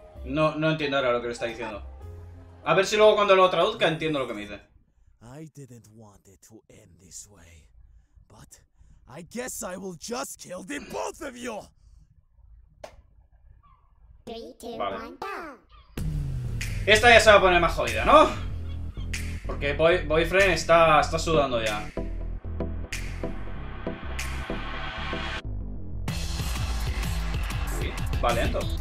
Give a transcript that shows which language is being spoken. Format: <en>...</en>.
<es>No entiendo ahora lo que le está diciendo. A ver si luego cuando lo traduzca entiendo lo que me dice.</es> <en>I didn't want it to end this way, but I guess I will just kill the both of you.</en> <es>3, 2, 1, go. Esta ya se va a poner más jodida, ¿no? Porque Boyfriend está sudando ya. Uy, va lento.</es>